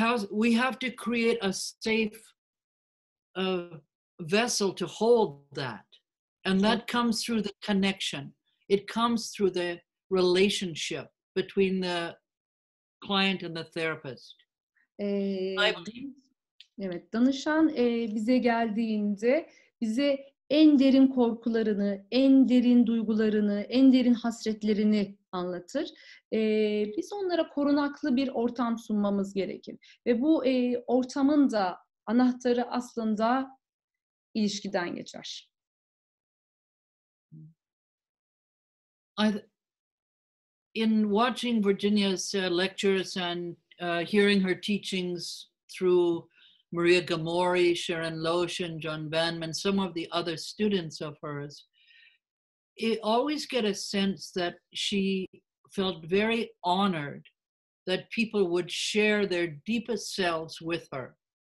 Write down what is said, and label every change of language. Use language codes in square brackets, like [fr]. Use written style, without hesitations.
[en] we have to create a safe vessel to hold that, and that comes through the connection, it comes through the relationship between the client and the therapist. [tr] Evet, danışan bize geldiğinde bize en derin korkularını, en derin duygularını, en derin hasretlerini anlatır. Biz onlara korunaklı bir ortam sunmamız gerekir. Ve bu ortamın da anahtarı aslında ilişkiden geçer. [en] In watching Virginia's lectures and hearing her teachings through Maria Gamori, Sharon Loesch, and John Bannum, and some of the other students of hers, I always get a sense that she felt very honored that people would share their deepest selves with her.